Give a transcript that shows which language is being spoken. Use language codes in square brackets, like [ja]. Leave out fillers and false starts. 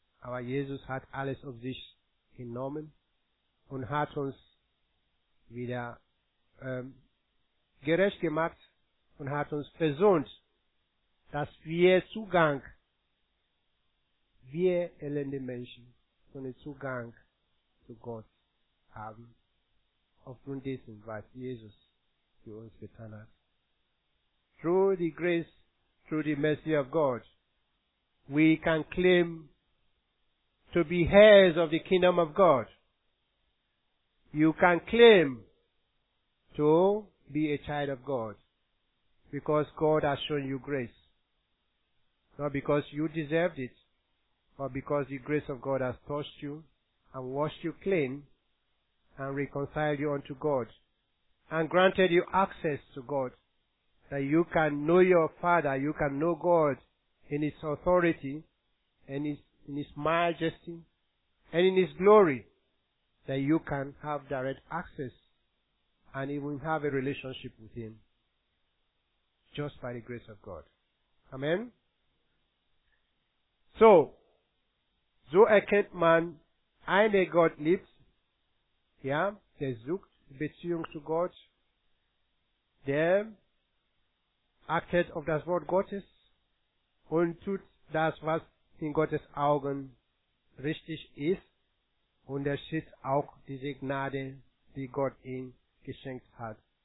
[de] Aber Jesus hat alles auf sich genommen und hat uns wieder gerecht gemacht und hat uns versöhnt, dass wir Zugang, wir elende Menschen, so einen Zugang zu Gott haben, aufgrund dessen, was Jesus für uns getan hat. [en] Through the grace, through the mercy of God, we can claim to be heirs of the kingdom of God. You can claim to be a child of God because God has shown you grace. Not because you deserved it, but because the grace of God has touched you and washed you clean and reconciled you unto God and granted you access to God, that you can know your Father, you can know God in His authority and in His majesty and in His glory, that you can have direct access and even have a relationship with Him just by the grace of God. Amen? [de] So erkennt man, eine Gott liebt, ja, der sucht Beziehung zu Gott, der achtet auf das Wort Gottes und tut das, was in Gottes Augen richtig ist, und er schützt auch diese Gnade, die Gott ihm geschenkt hat.